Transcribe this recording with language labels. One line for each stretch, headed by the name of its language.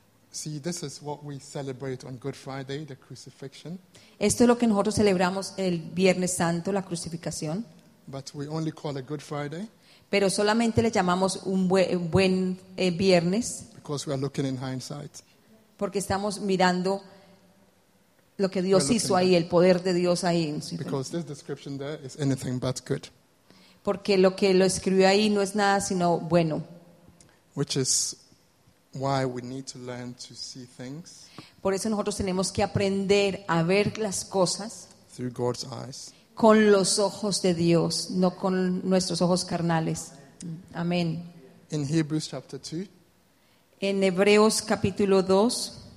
English: See, this is what we celebrate on Good Friday, the crucifixion.
Spanish: Esto es lo que nosotros celebramos el Viernes Santo, la crucifixión.
English: But we only call it Good Friday.
Spanish: Pero solamente le llamamos un buen viernes.
English: Because we are looking in hindsight.
Spanish: Porque estamos mirando lo que Dios hizo ahí, el poder de Dios ahí.
English: Because this description there is anything but good.
Spanish: Porque lo que lo escribió ahí no es nada sino bueno.
English: Which is why we need to learn to see things.
Spanish: Por eso nosotros tenemos que aprender a ver las cosas
English: through God's eyes.
Spanish: Con los ojos de Dios, no con nuestros ojos carnales. Amén.
English: In Hebrews chapter 2.
Spanish: En Hebreos capítulo 2.